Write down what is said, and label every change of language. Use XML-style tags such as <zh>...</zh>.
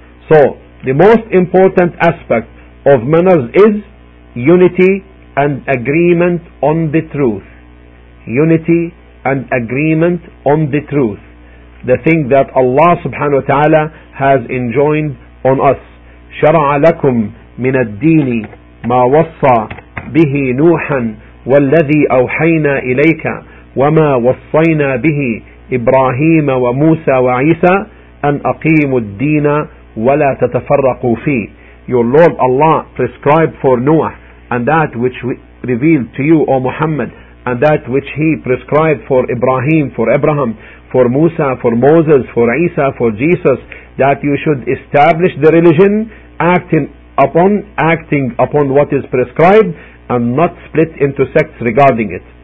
<en>So, the most important aspect of manners is unity and agreement on the truth. Unity and agreement on the truth. The thing that Allah subhanahu wa ta'ala has enjoined on us.</en> <ar>شَرَعَ لَكُمْ مِنَ الدِّينِ مَا وَصَّى بِهِ نُوحًا وَالَّذِي أَوْحَيْنَا إِلَيْكَ وَمَا وَصَّيْنَا بِهِ إبراهيم وموسى وعيسى أن أقيموا الدين ولا تتفرقوا فيه.</ar> <en>Your Lord Allah prescribed for Noah and that which we revealed to you, O Muhammad, and that which He prescribed for Ibrahim, for Abraham, for Musa, for Moses, for Isa, for Jesus, that you should establish the religion acting upon what is prescribed and not split into sects regarding it.</en>